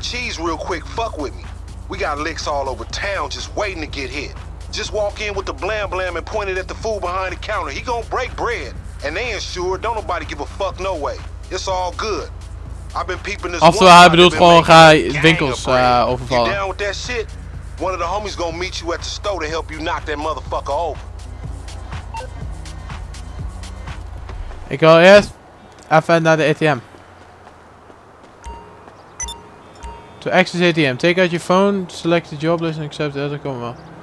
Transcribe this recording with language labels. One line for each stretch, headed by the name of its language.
English: To get some cheese real quick, fuck with me. We got licks all over town just waiting to get hit. Just walk in with the blam blam and point it at the fool behind the counter. He gonna break bread. And they insured, don't nobody give a fuck no way. It's all good. I've been peeping this
Dutch: oftewel, hij bedoelt gewoon, ga winkels overvallen.
English: You down with that shit? One of the homies gonna meet you at the store to help you knock that motherfucker over.
Dutch: Ik wil eerst even naar de ATM.
English: To access ATM, take out your phone, select the job list and accept the other combo.